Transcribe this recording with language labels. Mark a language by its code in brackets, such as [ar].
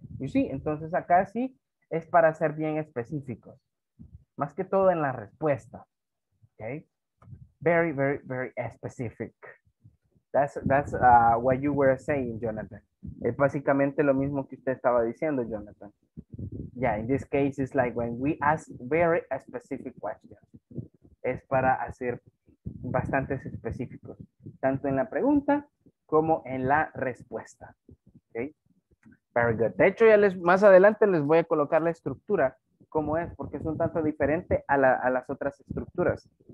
[es] Y sí, entonces acá sí es para ser bien específicos. Más que todo en la respuesta. ¿Ok? [en] Very, very, very specific. That's what you were saying, Jonathan. [es] Es básicamente lo mismo que usted estaba diciendo, Jonathan. [en] Yeah, in this case, it's like when we ask very specific questions. [es] Es para hacer bastante específicos, tanto en la pregunta como en la respuesta. Okay? [en] Very good. [es] De hecho, ya les más adelante les voy a colocar la estructura como es, porque es un tanto diferente a las otras estructuras.